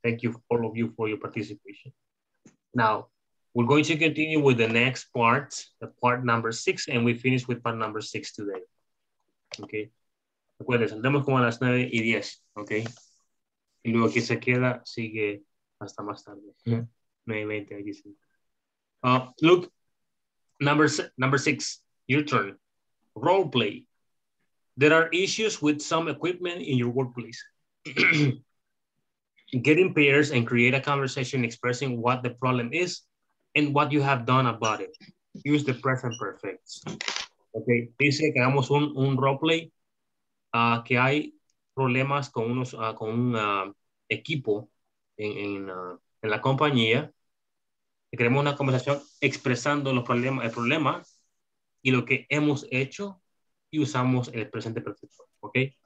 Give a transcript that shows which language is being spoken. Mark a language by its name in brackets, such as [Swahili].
[English] Thank you, all of you, for your participation. Now, we're going to continue with the next part, the part number 6, and we finish with part number 6 today. [Spanish] Okay. Acuérdense, andamos como a las 9 y 10. Okay. Y luego aquí se queda, sigue hasta más tarde. Yeah. 9 y 20, aquí sí. Look. [English] Number six, your turn. Role play. There are issues with some equipment in your workplace. Get in pairs and create a conversation expressing what the problem is and what you have done about it. Use the present perfect. [Spanish] Okay, dice que hagamos un role play, que hay problemas con unos con un equipo en la compañía. Queremos una conversación expresando los problemas, el problema y lo que hemos hecho y usamos el presente perfecto, ¿ok?